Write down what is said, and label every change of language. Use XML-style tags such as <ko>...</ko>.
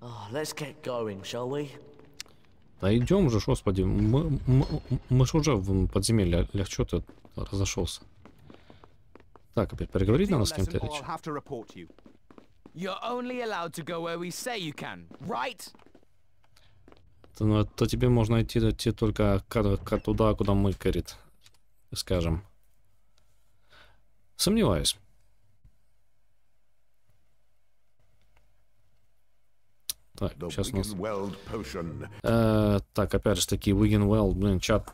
<en>Let's get going, shall we?</en> <ru>Да идем же, господи. Мы же уже в подземелье. Легче ты разошелся. Так, опять переговорить надо с кем-то речь.</ru> <en>You're only allowed to go where we say you can, right?</en> <ru>Ну, то тебе можно идти только туда, куда мы, Кэрит, скажем. Сомневаюсь. Так, сейчас нас... так, опять же таки, Wigan Weld, блин, чат.</ru>